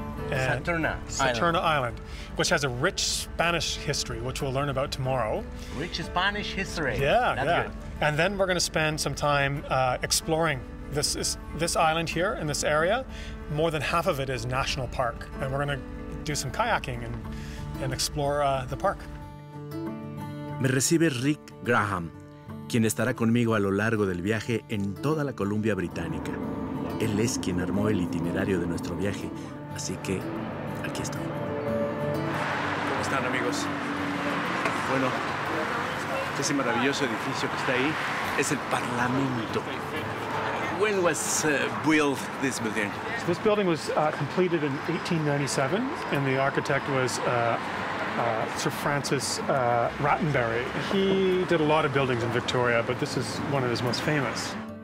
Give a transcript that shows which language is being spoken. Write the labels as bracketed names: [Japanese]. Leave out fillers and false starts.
[English] Saturna Island, which has a rich Spanish history, which we'll learn about tomorrow. Rich Spanish history. Yeah, that's good. And then we're going to spend some time exploring this island here in this area. More than half of it is national park, and we're going to do some kayaking and explore the park. [Spanish] Me recibe Rick Graham, quien estará conmigo a lo largo del viaje en toda la Columbia Británica. Él es quien armó el itinerario de nuestro viaje, así que aquí estoy. ¿Cómo están, amigos? Bueno, ese maravilloso edificio que está ahí es el Parlamento. [English] When was built this building? So this building was completed in 1897, and the architect was Sir Francis Rattenbury. He did a lot of buildings in Victoria, but this is one of his most famous.